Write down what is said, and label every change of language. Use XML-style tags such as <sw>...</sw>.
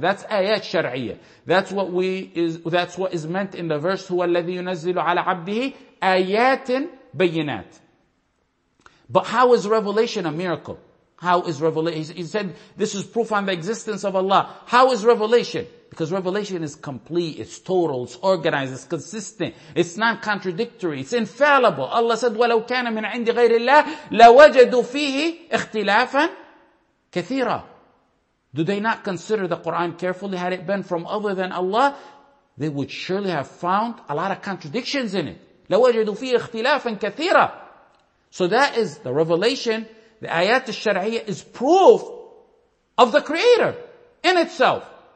<en>That's ayat shar'iyya. That's what is meant in the verse</en> <ar>huwa alladhi yunazzilu ala 'abdihi ayatin bayyinat.</ar> <en>But how is revelation a miracle? How is revelation? He said this is proof on the existence of Allah. How is revelation? Because revelation is complete, it's total, it's organized, it's consistent, it's non-contradictory, it's infallible. Allah said,</en> <ar>وَلَوْ كَانَ مِنْ عِنْدِ غَيْرِ اللَّهِ لَوَجَدُوا فِيهِ اِخْتِلَافًا كَثِيرًا.</ar> <en>Do they not consider the Quran carefully? Had it been from other than Allah, they would surely have found a lot of contradictions in it.</en> <ar>لَوَجَدُوا فِيهِ اِخْتِلَافًا كَثِيرًا.</ar> <en>So that is the revelation, the ayat al-shar'iyya is proof of the Creator in itself.</en>